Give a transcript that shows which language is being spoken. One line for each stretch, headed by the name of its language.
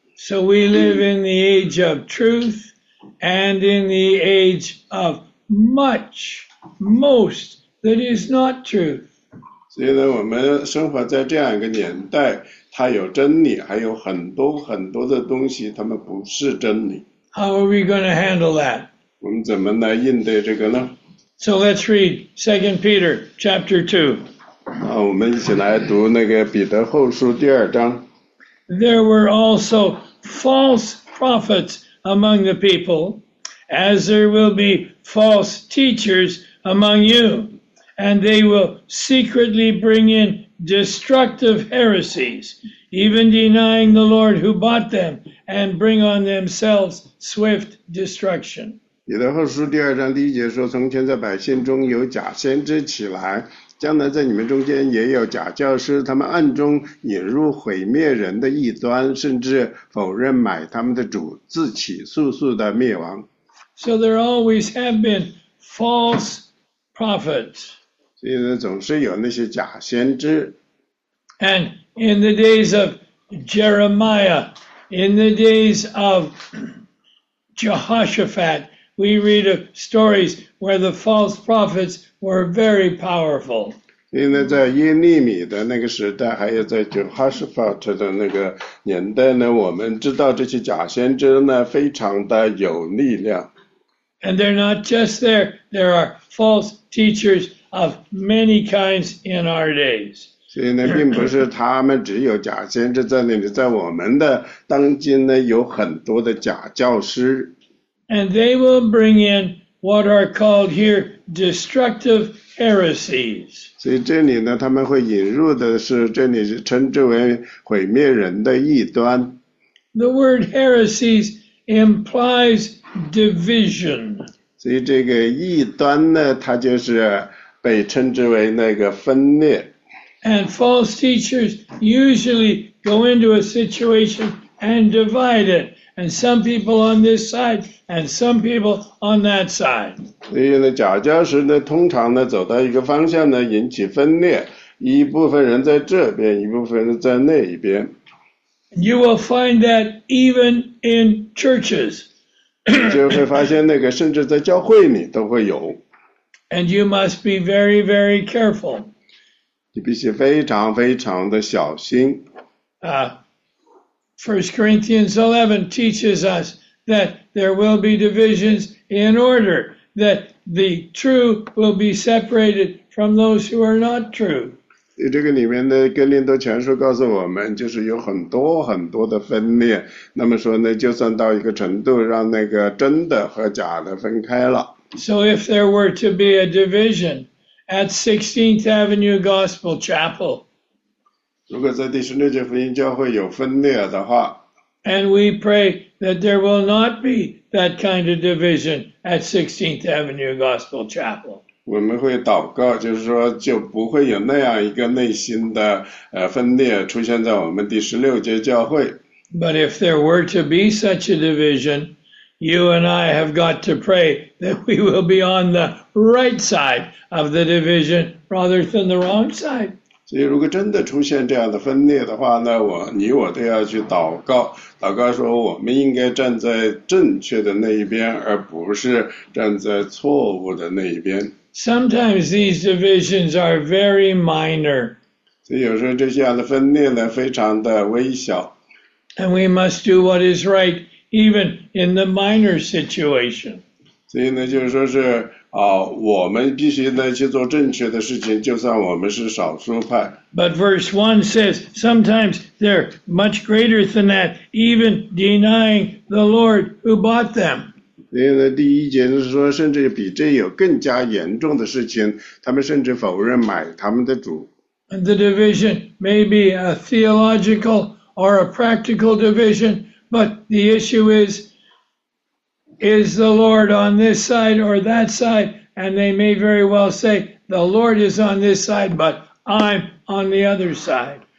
English: So we live in the age of truth and in the age of much, most that is not truth.
Chinese: 所以呢，我们生活在这样一个年代，它有真理，还有很多很多的东西，它们不是真理。
English: How are we going to handle that?
Chinese: 我们怎么来应对这个呢？
English: So let's read 2 Peter chapter 2.
Chinese: 好，我们一起来读那个彼得后书第二章。
English: There were also false prophets among the people, as there will be false teachers among you, and they will secretly bring in destructive heresies, even denying the Lord who bought them, and bring on themselves swift destruction.
Chinese: 彼得后书第二章第一节说，从前在百姓中有假先知起来，将来在你们中间也有假教师，他们暗中引入毁灭人的异端，甚至否认买他们的主，自起速速的灭亡。
English: So there always have been false prophets.
Chinese: 所以呢，总是有那些假先知。
English: And in the days of Jeremiah, in the days of Jehoshaphat, we read of stories where the false prophets were very powerful.
Chinese: 因为在耶利米的那个时代，还有在约哈士法特的那个年代呢，我们知道这些假先知呢非常的有力量。
English: And they're not just there, there are false teachers of many kinds in our days.
Chinese: 所以呢，并不是他们只有假先知在那里，在我们的当今呢，有很多的假教师。
English: And they will bring in what are called here destructive heresies.
Chinese: 所以这里呢，他们会引入的是，这里称之为毁灭人的异端。
English: The word heresies implies division.
Chinese: 所以这个异端呢，它就是被称之为那个分裂。
English: And false teachers usually go into a situation and divide it. And some people on this side, and some people on that side.
Chinese: 所以呢，假教师呢，通常呢，走到一个方向呢，引起分裂，一部分人在这边，一部分人在那一边。
English: You will find that even in churches.
Chinese: 就会发现那个，甚至在教会里都会有。
English: And you must be very, very careful.
Chinese: 你必须非常非常的小心。
English: 1 Corinthians 11 teaches us that there will be divisions in order, that the true will be separated from those who are not true.
Chinese: 这个里面的哥林多前书告诉我们，就是有很多很多的分裂，那么说呢，就算到一个程度，让那个真的和假的分开了。
English: So if there were to be a division at 16th Avenue Gospel Chapel,
Chinese: 如果在第十六届福音教会有分裂的话
English: ，And we pray that there will not be that kind of division at 16th Avenue Gospel Chapel.
Chinese: 我们会祷告，就是说就不会有那样一个内心的分裂出现在我们第十六届教会。
English: But if there were to be such a division, you and I have got to pray that we will be on the right side of the division rather than the wrong side.
Chinese: 所以如果真的出现这样的分裂的话呢，你我都要去祷告，祷告说我们应该站在正确的那一边，而不是站在错误的那一边。
English: Sometimes these divisions are very minor.
Chinese: 所以有时候这样的分裂呢，非常的微小。
English: And we must do what is right, even in the minor situation.
Chinese: 所以呢，就是说是我们必须呢去做正确的事情，就算我们是少数派。
English: But verse 1 says, sometimes they're much greater than that, even denying the Lord who bought them.
Chinese: 所以呢，第一节是说，甚至比这有更加严重的事情，他们甚至否认买他们的主。
English: And the division may be a theological or a practical division, but the issue is the Lord on this side or that side? And they may very well say, the Lord is on this side, but I'm on the other side.